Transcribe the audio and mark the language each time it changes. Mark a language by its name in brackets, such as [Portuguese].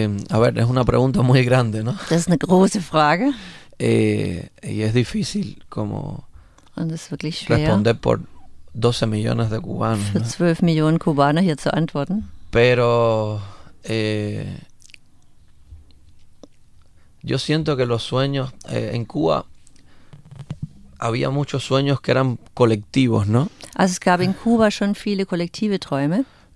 [Spanish] A ver, es una pregunta muy grande, ¿no? [German] Das ist eine große Frage. [Spanish] Y es difícil como [German] und es ist wirklich schwer, [Spanish] responder por 12 millones de cubanos, [German] für 12 ¿no? Millionen Kubaner hier zu antworten. [Spanish] Pero yo siento que los sueños en Cuba había muchos sueños que eran colectivos, ¿no? [German] Also es gab in Kuba schon viele kollektive Träume.